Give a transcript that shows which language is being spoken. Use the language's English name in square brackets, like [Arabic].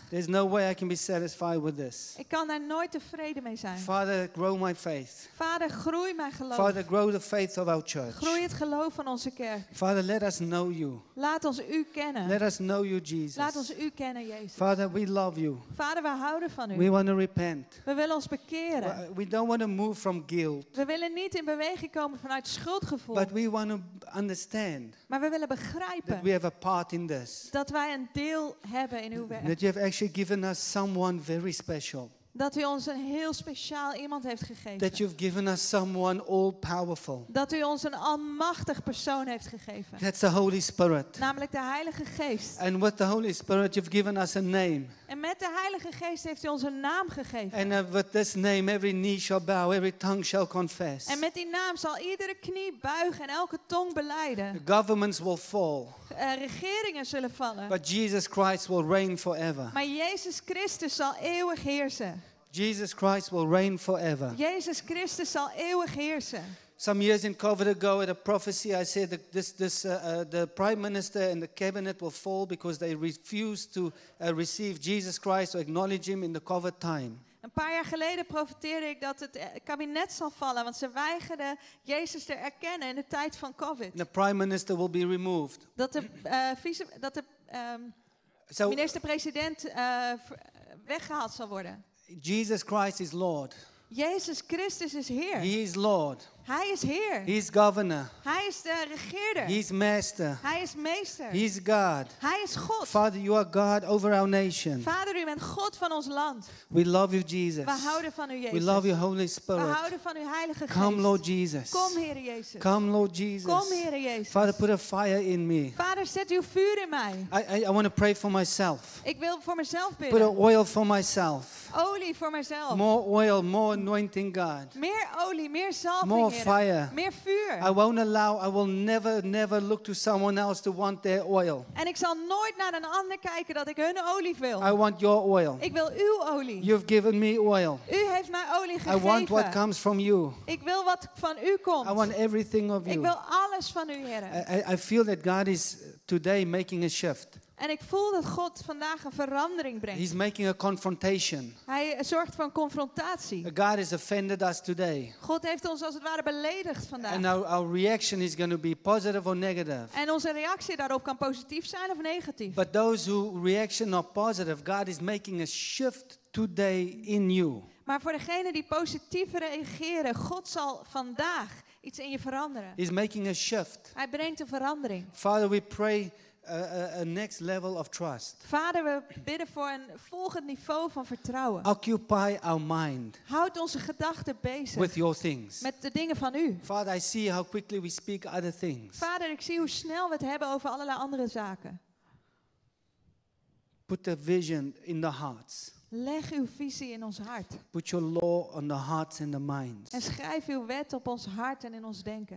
[English] There's no way I can be satisfied with this. [Dutch] Ik kan daar nooit tevreden mee zijn. [English] Father, grow my faith. [Dutch] Vader, groei mijn geloof. [English] Father, grow the faith of our church. [Dutch] Groei het geloof van onze kerk. [English] Father, let us know you. [Dutch] Laat ons u kennen. [English] Let us know you, Jesus. [Dutch] Laat ons u kennen, Jezus. [English] Father, we love you. [Dutch] Vader, we houden van u. [English] We want to repent. [Dutch] We willen ons bekeren. [English] We don't want to move from guilt. [Dutch] We willen niet in beweging komen vanuit schuldgevoel. [English] But we want to understand. [Dutch] Maar we willen begrijpen. [English] That we have a part in this. [Dutch] Dat wij een deel hebben in uw werk. [English] That you have actually given us someone very special. [Dutch] Dat u ons een heel speciaal iemand heeft gegeven. [English] That you've given us someone all powerful. [Dutch] Dat u ons een almachtig persoon heeft gegeven. [English] That's the Holy Spirit. [Dutch] Namelijk de Heilige Geest. [English] And with the Holy Spirit you've given us a name. [Dutch] En met de Heilige Geest heeft u ons een naam gegeven. [English] And with this name every knee shall bow, every tongue shall confess. [Dutch] En met die naam zal iedere knie buigen en elke tong belijden. [English] Governments will fall. [Dutch] Regeringen zullen vallen. [English] But Jesus Christ will reign forever. [Dutch] Maar Jezus Christus zal eeuwig heersen. [English] Jesus Christ will reign forever. [Dutch] Jezus Christus zal eeuwig heersen. [English] Some years in COVID ago, at a prophecy, I said that the prime minister and the cabinet will fall because they refuse to receive Jesus Christ or acknowledge him in the COVID time. [Dutch] Een paar jaar geleden profeteerde ik dat het kabinet zal vallen, want ze weigerden Jezus te erkennen in de tijd van COVID. [English] The prime minister will be removed. [Dutch] Dat de minister-president weggehaald zal worden. [English] Jesus Christ is Lord. [Dutch] Jezus Christus is Heer. [English] He is Lord. [Dutch] Hij is Heer. [English] He is governor. [Dutch] Hij is de regeerder. [English] He is master. [Dutch] Hij is meester. [English] He is God. [Dutch] Hij is God. [English] Father, you are God over our nation. [Dutch] Vader, u bent God van ons land. [English] We love you, Jesus. [Dutch] We houden van u, Jezus. [English] We love you, Holy Spirit. [Dutch] We houden van u, Heilige Geest. [English] Come, Lord Jesus. [Dutch] Kom, Heere Jezus. [English] Come, Lord Jesus. [Dutch] Kom, Heere Jezus. [English] Father, put a fire in me. [Dutch] Vader, zet uw vuur in mij. [English] I want to pray for myself. [Dutch] Ik wil voor mezelf bidden. [English] Put oil for myself. [Dutch] Olie voor mezelf. [English] More oil, more anointing, God. [Dutch] Meer olie, meer zalving. [English] More fire. [Dutch] Meer vuur. [English] I won't allow, I will never, never look to someone else to want their oil. [Dutch] En ik zal nooit naar een ander kijken dat ik hun olie wil. [English] I want your oil. [Dutch] Ik wil uw olie. [English] You've given me oil. [Dutch] U heeft mij olie gegeven. [English] I want what comes from you. [Dutch] Ik wil wat van u komt. [English] I want everything of you. [Dutch] Ik wil alles van u, Heere. [English] I feel that God is today making a shift. [Dutch] En ik voel dat God vandaag een verandering brengt. [English] He's making a confrontation. [Dutch] Hij zorgt voor een confrontatie. [English] God has offended us today. [Dutch] God heeft ons als het ware beledigd vandaag. [English] And our reaction is going to be positive or negative. [Dutch] En onze reactie daarop kan positief zijn of negatief. [English] But those who reaction are positive, God is making a shift today in you. [Dutch] Maar voor degenen die positief reageren, God zal vandaag iets in je veranderen. [English] He's making a shift. [Dutch] Hij brengt een verandering. [English] Father, we pray a next level of trust. [Dutch] Vader, we bidden voor een volgend niveau van vertrouwen. [English] Occupy our mind. [Dutch] Houd onze gedachten bezig. [English] With your things. [Dutch] Met de dingen van u. [English] Father, I see how quickly we speak other things. [Dutch] Vader, ik zie hoe snel we het hebben over allerlei andere zaken. [English] Put a vision in the hearts. [Dutch] Leg uw visie in ons hart. [English] Put your law on the hearts and the minds. [Dutch] En schrijf uw wet op ons hart en in ons denken.